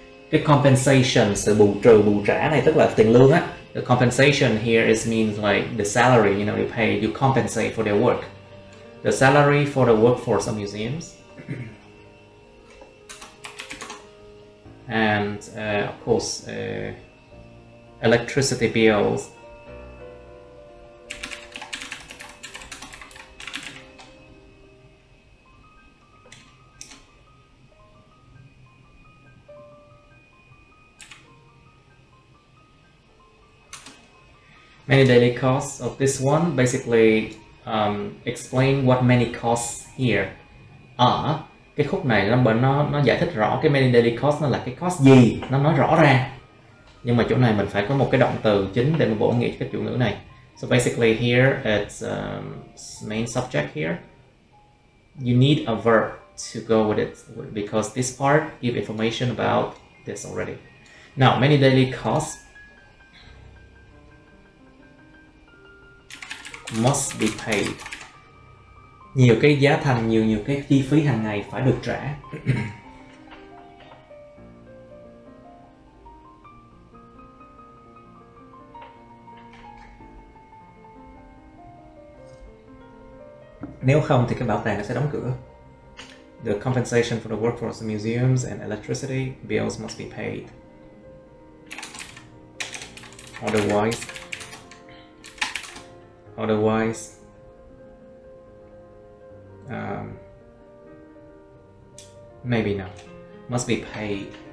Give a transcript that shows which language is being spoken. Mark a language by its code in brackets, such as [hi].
[vi] Cái compensation, sự bù trừ bù trả này, tức là tiền lương á. [en] The compensation here is means like the salary, you know, you pay, you compensate for their work. The salary for the workforce of museums. And of course, electricity bills. Many daily costs of this one, basically explain what many costs here are. [vi] Cái khúc này nó giải thích rõ cái [en] many daily cost [vi] nó là cái cost gì, nó nói rõ ra. Nhưng mà chỗ này mình phải có một cái động từ chính để mình bổ nghĩa cho cái chủ ngữ này. [en] So basically here it's main subject here. You need a verb to go with it because this part give information about this already. Now many daily costs must be paid. [vi] Nhiều cái giá thành, nhiều cái chi phí hàng ngày phải được trả. Nếu không thì cái bảo tàng nó sẽ đóng cửa. [en] The compensation for the workforce, museums and electricity bills must be paid. Otherwise, maybe not. Must be paid.